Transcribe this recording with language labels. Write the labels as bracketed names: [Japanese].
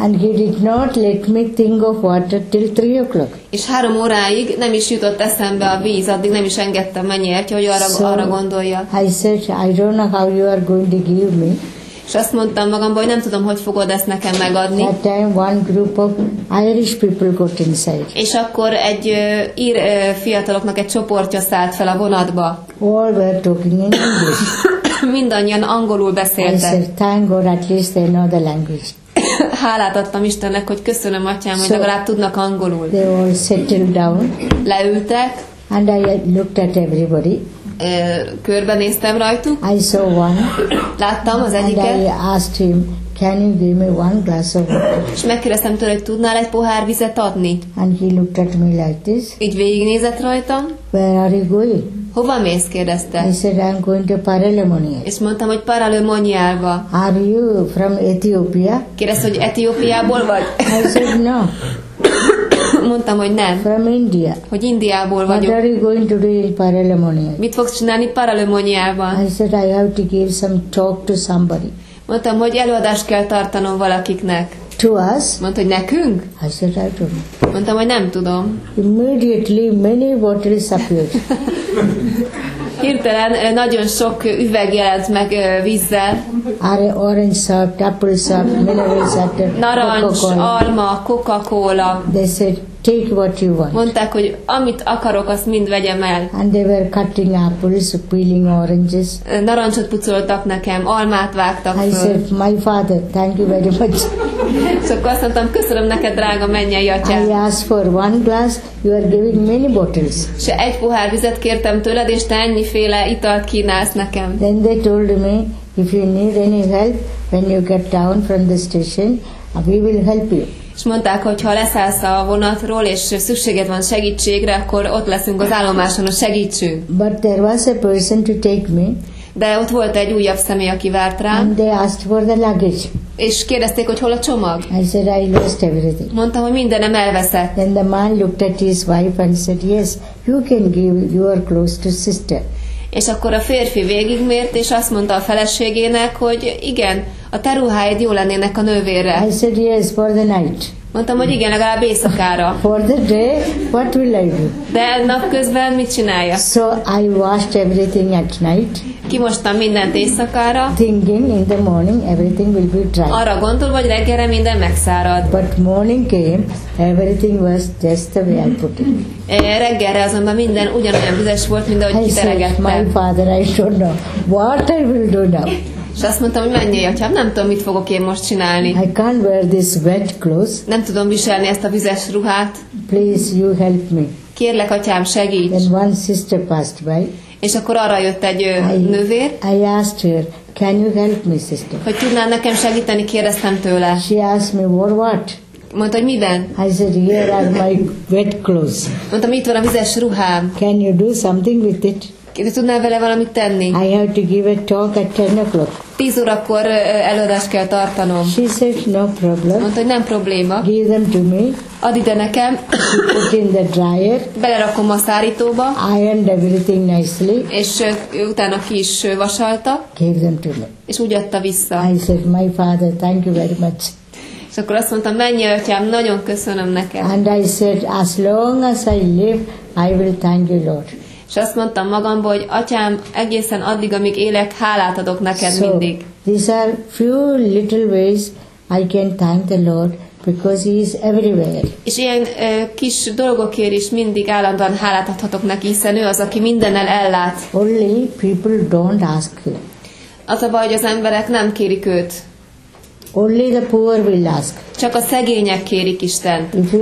[English] And he did not let me think of water till 3 o'clock. [Hungarian] És 3 óráig nem is jutott eszembe a víz, addig nem is engedtem mennyei atya, hogy arra gondoljak. [English] I said, "I don't know how you are going to give me." [Hungarian] És azt mondtam magamban, hogy nem tudom, hogy fogod ezt nekem megadni. [English] That time one group of Irish people got inside. [Hungarian] És akkor egy ír fiataloknak egy csoportja szállt fel a vonatba. [English] All were talking in English. [Hungarian] Mindannyian angolul beszéltek. [English] I said, "Thank God, at least they know the language." [Hungarian] Hálát adtam Istennek, hogy köszönöm, atyám, hogy legalább tudnak angolul. [English] They all settled down. [Hungarian] Leültek. [English] And I looked at everybody. [Hungarian] Körbenéztem rajtuk. [English] I saw one. [Hungarian] Láttam az egyiket. [English] And I asked him, can you give me one glass of water? [Hungarian] És megkérdeztem tőle, hogy tudnál egy pohár vizet adni? [English] And he looked at me like this. [Hungarian] Így végignézett rajtam. [English] Where are you going? [Hungarian] Hova mész, kérdezte. [English] I said, I'm going to Paralemonia. [Hungarian] És mondtam, hogy Paralemoniába. [English] Are you from Ethiopia? [Hungarian] Kérdezte, hogy Etiópiából vagy? [English] I said, no. [Hungarian] Mondtam, hogy nem. [English] From India. [Hungarian] Hogy Indiából vagyok. [English] What are you going to do in Paralemonia? [Hungarian] Mit fogsz csinálni Paralemoniában? [English] I said, I have to give some talk to somebody. [Hungarian] Mondtam, hogy előadást kell tartanom valakiknek. [English] To us? [Hungarian] Mondta, hogy nekünk? [English] I said, I don't know. [Hungarian] Mondtam, hogy nem tudom. [English] Immediately many bottles appeared. [Hungarian] Hirtelen nagyon sok üveg jelent meg vízzel. [English] Are orange soft, apple soft, mineral water, [Hungarian] narancs, alma, Coca-Cola. [English] They said, take what you want. [Hungarian] Mondták, hogy amit akarok, azt mind vegyem el. [English] And they were cutting apples, peeling oranges. [Hungarian] Narancsot pucoltak nekem, almát vágtak föl. [English] I said, my father, thank you very much. [Hungarian] Szóval azt mondtam, köszönöm neked, drága mennyei atyám. [English] I asked for one glass, you are giving many bottles. [Hungarian] És egy pohár vizet kértem tőled, és te ennyiféle italt kínálsz nekem. [English] Then they told me, if you need any help, when you get down from the station, we will help you. [Hungarian] És mondták, hogy ha leszállsz a vonatról, és szükséged van segítségre, akkor ott leszünk az állomáson, hogy segítsünk. [English] But there was a person to take me. [Hungarian] De ott volt egy újabb személy, aki várt rám. [English] And they asked for the luggage. [Hungarian] És kérdezték, hogy hol a csomag? [English] I said, I lost everything. [Hungarian] Mondtam, hogy mindenem elveszett. [English] Then the man looked at his wife and said, yes, you can give your clothes to sister. [Hungarian] És akkor a férfi végigmért, és azt mondta a feleségének, hogy igen, a te ruháid jó lennének a nővérre. [English] I said, yes, for the night. [Hungarian] Mondtam, hogy igen, legalább éjszakára. [English] For the day, what will I do? [Hungarian] De napközben mit csinálja? [English] So I washed everything at night. [Hungarian] Kimostam mindent éjszakára. [English] Thinking in the morning everything will be dry. [Hungarian] Arra gondolva, hogy reggelre minden megszárad. [English] But morning came, everything was just the way I put it. [Hungarian] Reggelre azonban minden ugyanolyan vizes volt, mint ahogy kiteregettem. [English] My father, I don't know what I will do now. [Hungarian] És azt mondtam, hogy mennyi, atyám, nem tudom, mit fogok én most csinálni. [English] I can't wear this wet clothes. [Hungarian] Nem tudom viselni ezt a vizes ruhát. [English] Please, you help me. [Hungarian] Kérlek, atyám, segíts. [English] And one sister passed by. [Hungarian] És akkor arra jött egy nővér. [English] I asked her, can you help me, sister? [Hungarian] Hogy tudnál nekem segíteni, kérdeztem tőle. [English] She asked me, what? [Hungarian] Mondta, hogy miben? [English] I said, here are my wet clothes. [Hungarian] Mondtam, itt van a vizes ruhám. [English] Can you do something with it? [Hungarian] De tudnál vele valamit tenni? [English] I have to give a talk at 10 o'clock. [Hungarian] 10 órakor előadást kell tartanom. [English] She said, no problem. [Hungarian] Mondta, hogy nem probléma. [English] Give them to me. [Hungarian] Add ide nekem. [English] Put in the dryer. [Hungarian] Belerakom a szárítóba. [English] Ironed everything nicely. [Hungarian] És utána ki is vasalta. [English] Give them to me. [Hungarian] És úgy adta vissza. [English] I said, my father, thank you very much. [Hungarian] És akkor azt mondtam, mennyi atyám, nagyon köszönöm neked. [English] And I said, as long as I live, I will thank you, Lord. [Hungarian] És azt mondtam magamból, hogy atyám, egészen addig, amíg élek, hálát adok neked [English] so, [Hungarian] mindig. [English] These are few little ways I can thank the Lord, because he is everywhere. [Hungarian] És ilyen kis dolgokért is mindig állandóan hálát adhatok neki, hiszen ő az, aki mindennel ellát. [English] Only people don't ask him. [Hungarian] Az a baj, hogy az emberek nem kérik őt. [English] Only the poor will ask. [Hungarian] Csak a szegények kérik Istent.